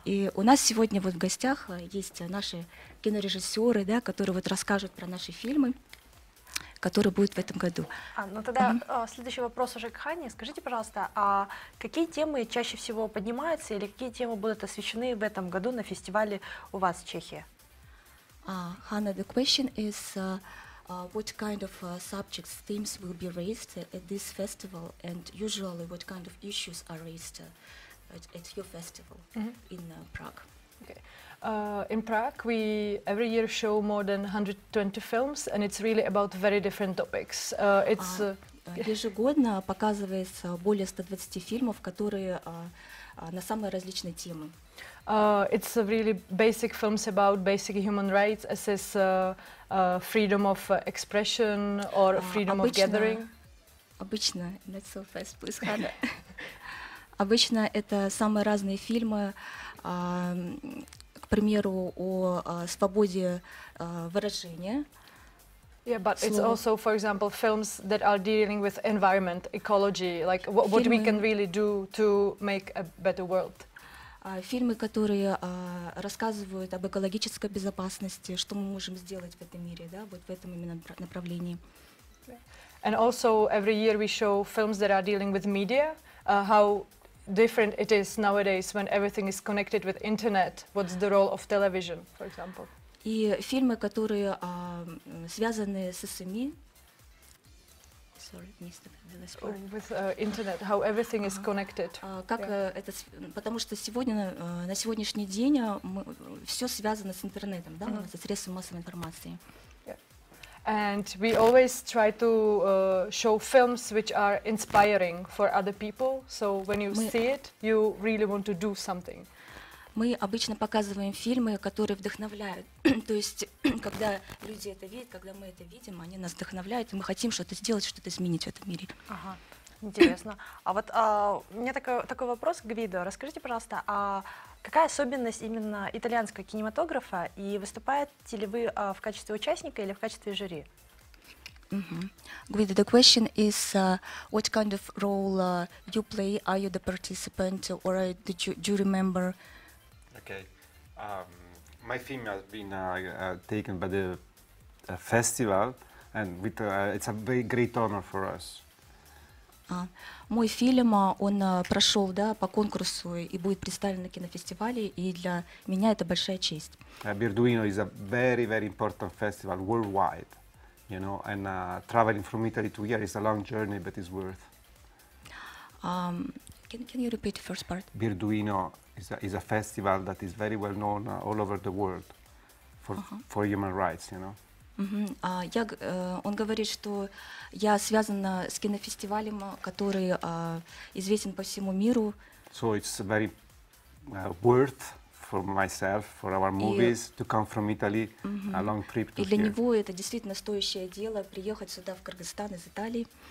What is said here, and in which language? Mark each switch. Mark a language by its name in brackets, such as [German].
[Russian] И у нас сегодня вот в гостях есть наши кинорежиссеры, да, которые вот расскажут про наши фильмы, которые будут в этом году. Ну тогда следующий вопрос уже к Ханне. Скажите, пожалуйста, а какие темы чаще всего поднимаются или какие темы будут освещены в этом году на фестивале у вас в Чехии? [English] Ханна, the question is what kind of subjects, themes will be raised at this festival and usually what kind of issues are raised at your festival in Prague? Okay. In Prague, we every year show more than 120 films, and it's really about very different topics. [Russian] Ежегодно показывается более 120 фильмов, которые на самые различные темы. [English] It's really basic films about basic human rights, as is freedom of expression or freedom of gathering. [Russian] Обычно, [English] not so fast, please, Ханна. [Russian] Обычно это самые разные фильмы. К примеру, о свободе выражения. [English] Yeah, but it's also, for example, films that are dealing with environment, ecology, like what we can really do to make a better world. [Russian] Фильмы, которые рассказывают об экологической безопасности, что мы можем сделать в этом мире, да, вот в этом именно направлении. [English] And also every year we show films that are dealing with media, how different it is nowadays when everything is connected with internet. What's the role of television, for example? [Russian] И фильмы, которые связаны с СМИ. [English] With internet, how everything is connected. [Russian] Как это? Потому что сегодня на сегодняшний день все связано с интернетом, да, со средствами массовой информации. [English] And we always try to show films which are inspiring for other people. So when you see it, you really want to do something. [Russian] Мы обычно показываем фильмы, которые вдохновляют. То есть, когда люди это видят, когда мы это видим, они нас вдохновляют, и мы хотим что-то сделать, что-то изменить в этом мире. Интересно. А вот у меня такой вопрос к Гвидо. Расскажите, пожалуйста, а какая особенность именно итальянского кинематографа, и выступаете ли вы в качестве участника или в качестве жюри? [English] Гвидо, the question is what kind of role you play? Are you the participant or are you the jury member? Okay. My film has been taken by the festival and with, it's a very great honor for us. [Russian] Мой фильм, он прошел, да, по конкурсу и будет представлен на кинофестивале, и для меня это большая честь. [English] Бирдуино is a very, very important festival worldwide, you know, and traveling from Italy to here is a long journey, but it's worth. Can you repeat the first part? Бирдуино is a festival that is very well known all over the world for human rights, you know. [Russian] Он говорит, что я связана с кинофестивалем, который известен по всему миру. [English] So it's very word for myself, for our movies, to come from Italy, a long trip to here. [Russian] И для него это действительно стоящее дело приехать сюда в Кыргызстан из Италии.